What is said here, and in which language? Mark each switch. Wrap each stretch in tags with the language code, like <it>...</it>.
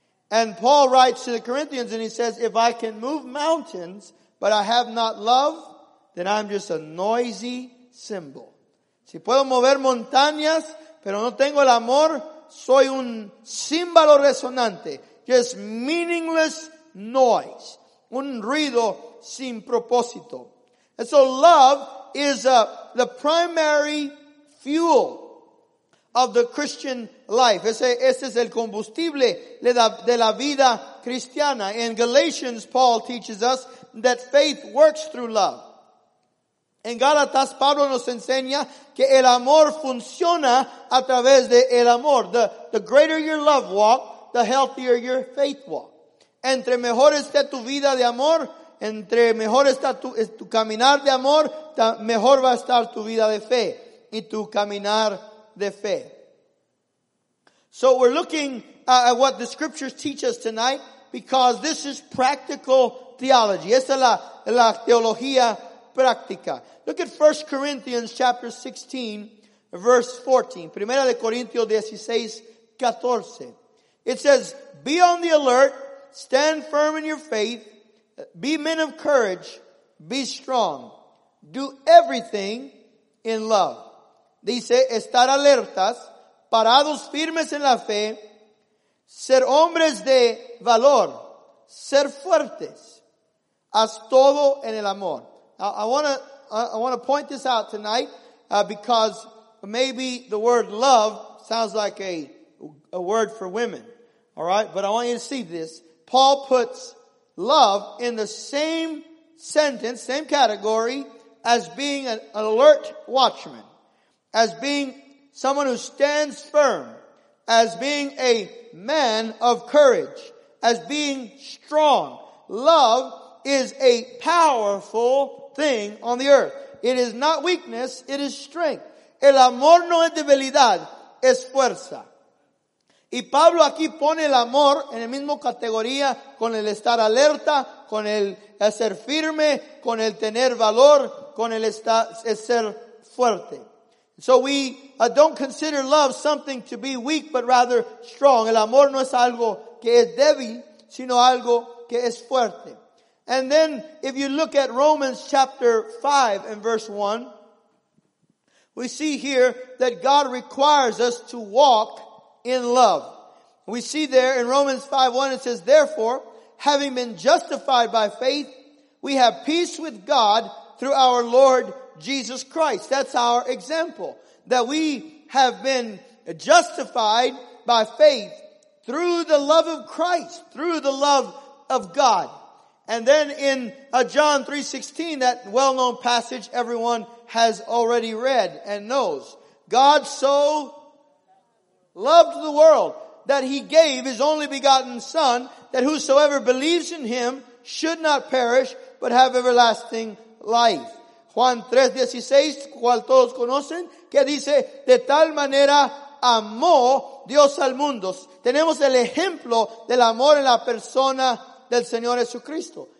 <en>And Paul writes to the Corinthians and he says, if I can move mountains, but I have not love, then I'm just a noisy cymbal.</en> <es>Si puedo mover montañas, pero no tengo el amor, soy un címbalo resonante.</es> <en>Just meaningless noise.</en> <es>Un ruido sin propósito.</es> <en>And so love is the primary fuel of the Christian life.</en> <es>Ese es el combustible de la vida cristiana.</es> <en>In Galatians, Paul teaches us that faith works through love.</en> <es>En Gálatas, Pablo nos enseña que el amor funciona a través de el amor.</es> <en>The greater your love walk, the healthier your faith walk.</en> <es>Entre mejor esté tu vida de amor, entre mejor está tu caminar de amor, mejor va a estar tu vida de fe y tu caminar de fe.</es> <en>So we're looking at what the scriptures teach us tonight, because this is practical theology.</en> <es>Esta es la teología práctica.</es> <en>Look at 1 Corinthians chapter 16, verse 14.</en> <es>Primera de Corintios 16, 14.</es> <en>It says, be on the alert, stand firm in your faith, be men of courage, be strong, do everything in love.</en> <es>Dice, estar alertas, parados firmes en la fe, ser hombres de valor, ser fuertes, haz todo en el amor.</es> <en>I want to point this out tonight, because maybe the word love sounds like a word for women. All right, but I want you to see this. Paul puts love in the same sentence, same category, as being an alert watchman, as being someone who stands firm, as being a man of courage, as being strong. Love is a powerful thing on the earth. It is not weakness, it is strength.</en> <es>El amor no es debilidad, es fuerza. Y Pablo aquí pone el amor en la misma categoría con el estar alerta, con el ser firme, con el tener valor, con el estar ser fuerte.</es> <en>So we don't consider love something to be weak, but rather strong.</en> <es>El amor no es algo que es débil, sino algo que es fuerte.</es> <en>And then if you look at Romans chapter 5 and verse 1, we see here that God requires us to walk in love. We see there in Romans 5:1, it says, therefore, having been justified by faith, we have peace with God through our Lord Jesus Christ. That's our example, that we have been justified by faith through the love of Christ, through the love of God. And then in John 3:16, that well-known passage everyone has already read and knows, God so loved the world that He gave His only begotten Son, that whosoever believes in Him should not perish, but have everlasting life.</en> <es>Juan 3:16, cual todos conocen, que dice, de tal manera amó Dios al mundo. Tenemos el ejemplo del amor en la persona del Señor Jesucristo.</es>